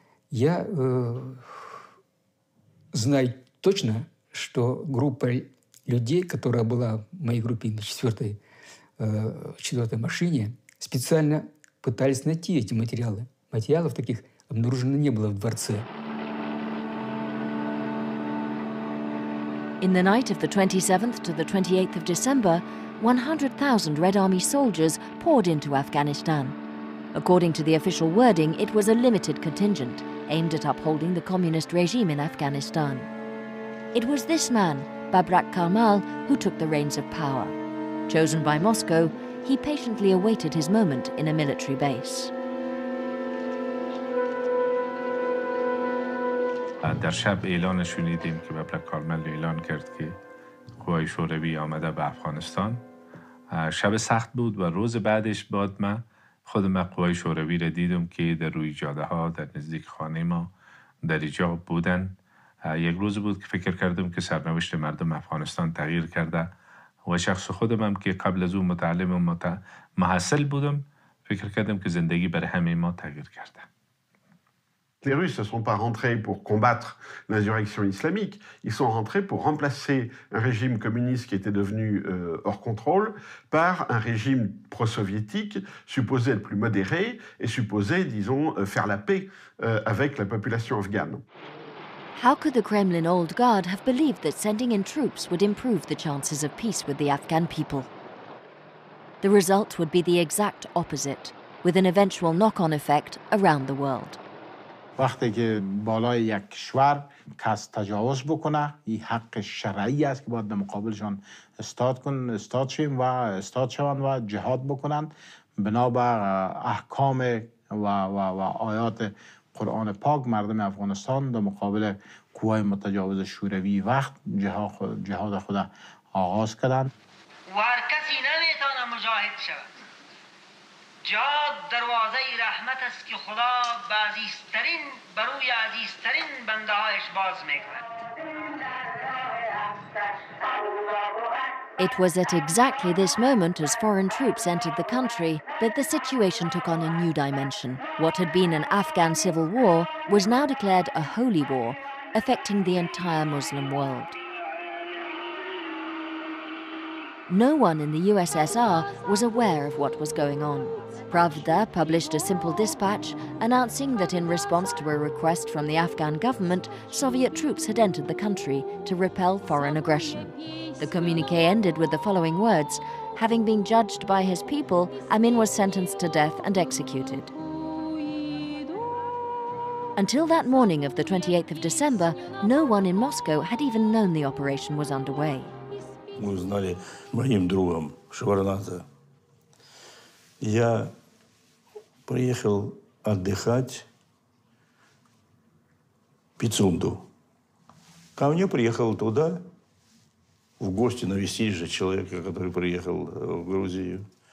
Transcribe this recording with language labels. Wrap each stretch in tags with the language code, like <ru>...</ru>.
<ru>Я знаю точно, что группа людей, которая была в моей группе на четвертой машине, специально пытались найти эти материалы. Материалов таких обнаружено не было в дворце.</ru> <en>In the night of the 27th to the 28th of December, 100,000 Red Army soldiers poured into Afghanistan. According to the official wording, it was a limited contingent aimed at upholding the communist regime in Afghanistan. It was this man, Babrak Karmal, who took the reins of power. Chosen by Moscow, he patiently awaited his moment in a military base.</en> <fa>در شب اعلان شنیدیم که ببرک کارمل اعلان کرد که قوای شوروی آمده به افغانستان. شب سخت بود و روز بعدش بعد من خودم قوای شوروی را دیدم که در روی جاده ها در نزدیک خانه ما در ایجا بودن. یک روز بود که فکر کردم که سرنوشت مردم افغانستان تغییر کرده و شخص خودم هم که قبل از اون متعلم و محصل بودم فکر کردم که زندگی برای همه ما تغییر کرده.</fa> <fr>Les Russes ne sont pas rentrés pour combattre l'insurrection islamique, ils sont rentrés pour remplacer un régime communiste qui était devenu hors contrôle par un régime pro-soviétique supposé être plus modéré et supposé, disons, faire la paix avec la population afghane.</fr> <en>How could the Kremlin old guard have believed that sending in troops would improve the chances of peace with the Afghan people? The result would be the exact opposite, with an eventual knock-on effect around the world.</en> <fa>وقتی که بالای یک کشور کس تجاوز بکنه این حق شرعی است که باید در مقابلشان استاد شون و جهاد بکنند بنا به احکام و آیات قرآن پاک مردم افغانستان در مقابل قوای متجاوز شوروی وقت جهاد خود آغاز کردند و هر کسی نمیتونه مجاهد شود جهاد دروازه رحمت است که خدا به عزیزترین بروی عزیزترین بنده هایش باز میکند.</fa> <en>It was at exactly this moment as foreign troops entered the country that the situation took on a new dimension. What had been an Afghan civil war was now declared a holy war, affecting the entire Muslim world. No one in the USSR was aware of what was going on. Pravda published a simple dispatch announcing that in response to a request from the Afghan government, Soviet troops had entered the country to repel foreign aggression. The communique ended with the following words: having been judged by his people, Amin was sentenced to death and executed. Until that morning of the 28th of December, no one in Moscow had even known the operation was underway.</en> <ru>Мы узнали моим другом Шварнадзе. Я приехал отдыхать в Пицунду. Ко мне приехал туда в гости навестить же человека, который приехал в Грузию.</ru>